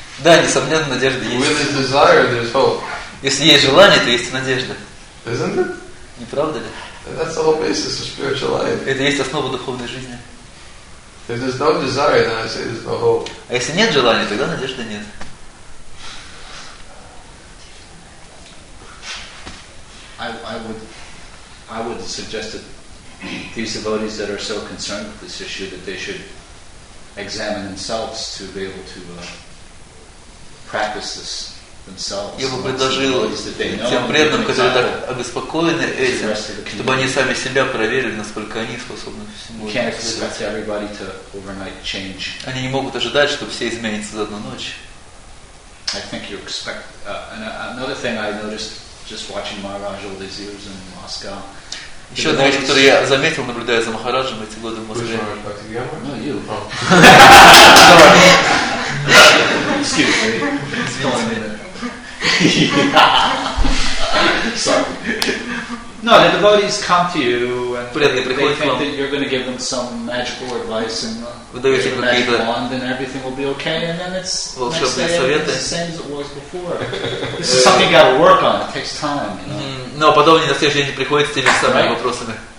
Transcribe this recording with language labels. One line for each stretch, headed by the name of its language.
Russian: Да, несомненно, надежда есть.
English: With a desire, there's hope.
Russian: Если есть желание, то есть надежда.
English: Isn't it?
Russian: Не правда ли?
English: That's the whole basis of spiritual life.
Russian: Это есть основа духовной жизни.
English: If there's no desire, then I say there's no hope.
Russian: А если нет желания, тогда надежды нет.
English: I would suggest that these devotees that are so concerned with this issue that they should examine themselves to be able to practice this themselves.
Russian: Я бы предложил тем преданным, которые так обеспокоены этим, чтобы они сами себя проверили, насколько они способны всему. Они не могут ожидать, что все изменится за одну ночь.
English: I think you expect. Another thing I noticed just watching Maharaj all these years in Moscow.
Russian: Еще одна вещь, которую я заметил, наблюдая за Махараджем эти годы в Москве.
English: Who's Maharaj Bhaktivedanta? No, you. Excuse me. No, the devotees come to you and they think that you're going to give them some magical advice and a magic wand and everything will be okay, and then it's next day it's the same as it was before. This is something you got to work on. It takes time. No,
Russian: подобные на следующий день приходят с теми самыми вопросами.